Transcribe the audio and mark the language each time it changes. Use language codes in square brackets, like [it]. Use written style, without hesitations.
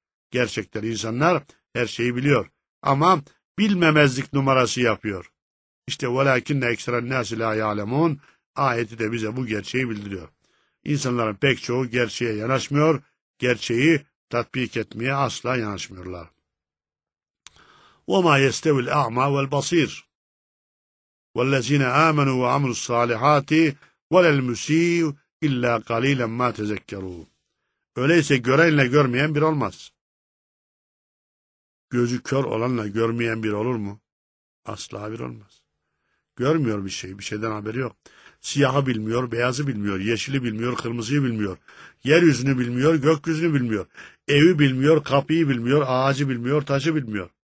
[tr] Gerçekten insanlar her şeyi biliyor ama bilmemezlik numarası yapıyor. İşte [ar] وَلَاكِنَّ اَكْسَرَ النَّاسِ لَا يَعْلَمُونَ [tr] ayeti de bize bu gerçeği bildiriyor. İnsanların pek çoğu gerçeğe yanaşmıyor, gerçeği tatbik etmeye asla yanaşmıyorlar. [ar] وَمَا يَسْتَوِ الْاَعْمَى وَالْبَصِيرِ وَالَّذِينَ آمَنُوا وَعَمِلُوا الصَّالِحَاتِ وَلَا الْمُسِيءُ اِلَّا قَلِيلًا مَا تَذَكَّرُوا [tr] Öyleyse görenle görmeyen bir olmaz. Gözü kör olanla görmeyen bir olur mu? Asla bir olmaz. Görmüyor bir şey, bir şeyden haberi yok. Siyahı bilmiyor, beyazı bilmiyor, yeşili bilmiyor, kırmızıyı bilmiyor. Yeryüzünü bilmiyor, gökyüzünü bilmiyor. Evi bilmiyor, kapıyı bilmiyor, ağacı bilmiyor, taşı bilmiyor.